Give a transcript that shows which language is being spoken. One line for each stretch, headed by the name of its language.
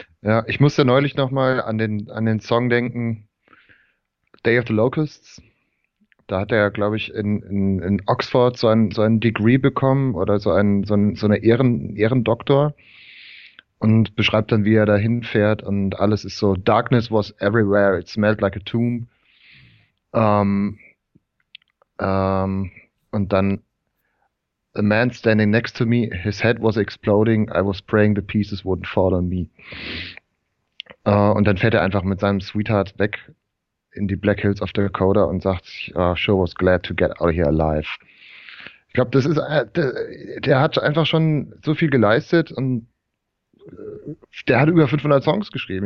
German: Ja, ich musste neulich nochmal an den Song denken, Day of the Locusts. Da hat er, glaube ich, in Oxford so ein Degree bekommen oder so eine Ehrendoktor und beschreibt dann, wie er da hinfährt und alles ist so, Darkness was everywhere, it smelled like a tomb.
English: Und dann A man standing next to me, his head was exploding, I was praying the pieces wouldn't fall on me.
German: Und dann fährt er einfach mit seinem Sweetheart weg in die Black Hills of Dakota und sagt, I sure was glad to get out of here alive. Ich glaube, das ist, der hat einfach schon so viel geleistet und der hat über 500 Songs geschrieben.